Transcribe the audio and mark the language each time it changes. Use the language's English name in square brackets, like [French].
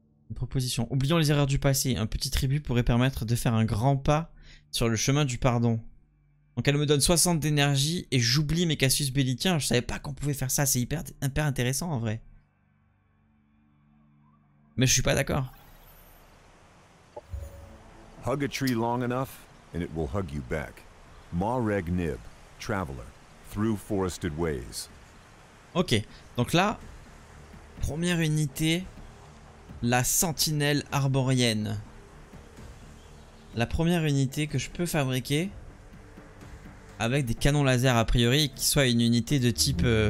[French] Une proposition. Oublions les erreurs du passé. Un petit tribut pourrait permettre de faire un grand pas sur le chemin du pardon. Donc elle me donne 60 d'énergie et j'oublie mes casus belli. Tiens, je savais pas qu'on pouvait faire ça. C'est hyper, hyper intéressant en vrai. Mais je suis pas d'accord. [English] Hug a tree long enough and it will hug you back. Ma Reg Nib, traveler, through forested ways. [French] Ok, donc là, première unité, la sentinelle arborienne. La première unité que je peux fabriquer avec des canons laser a priori, qui soit une unité de type...